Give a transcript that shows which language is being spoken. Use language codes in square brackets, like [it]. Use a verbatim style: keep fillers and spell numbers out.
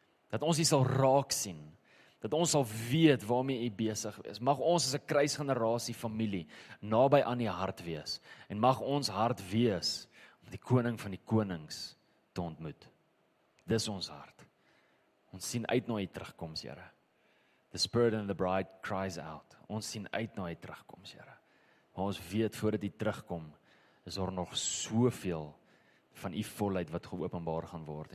[af] Dat ons U sal raak sien, dat ons sal weet waarmee U besig is. Mag ons as 'n kruisgenerasie familie naby aan U hart wees en mag ons hart wees om die koning van die konings te ontmoet. Dis ons hart. Ons sien uit na U terugkoms, Here. [en] The Spirit and the Bride cries out. [af] Ons sien uit na U terugkoms, Here. Maar ons weet voordat U terugkom, is daar nog soveel van U volheid wat geopenbaar gaan word.